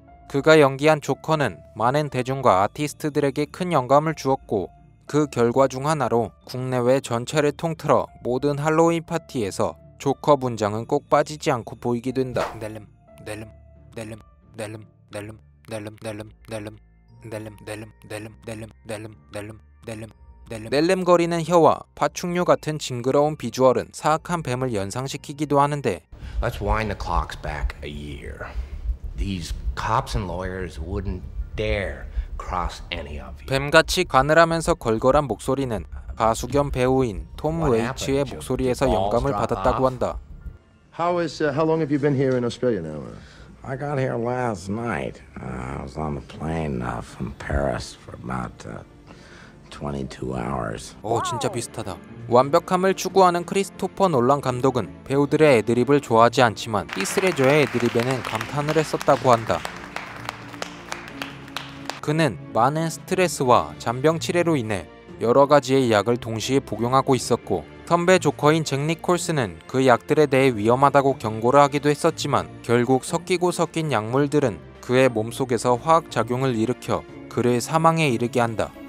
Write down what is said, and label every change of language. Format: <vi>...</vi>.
<ko>그가 연기한 조커는 많은 대중과 아티스트들에게 큰 영감을 주었고 그 결과 중 하나로 국내외 전체를 통틀어 모든 할로윈 파티에서 조커 분장은 꼭 빠지지 않고 보이게 된다. 낼름거리는 혀와 파충류 같은 징그러운 비주얼은 사악한 뱀을 연상시키기도 하는데.</ko> <en>Let's wind the clocks back a year. These cops and lawyers wouldn't dare cross any of you.</en> <ko>뱀같이 가늘하면서 걸걸한 목소리는 가수 겸 배우인 톰 웨이츠의 목소리에서 영감을 받았다고 한다.</ko> <en>How long have you been here in Australia now? I got here last night. I was on the plane from Paris for about 22 hours.</en> <ko>오, 진짜 비슷하다. 완벽함을 추구하는 크리스토퍼 놀란 감독은 배우들의 애드립을 좋아하지 않지만 히스레저의 애드립에는 감탄을 했었다고 한다. 그는 많은 스트레스와 잔병 치레로 인해 여러 가지의 약을 동시에 복용하고 있었고 선배 조커인 잭 니콜슨은 그 약들에 대해 위험하다고 경고를 하기도 했었지만 결국 섞이고 섞인 약물들은 그의 몸속에서 화학작용을 일으켜 그를 사망에 이르게 한다.</ko>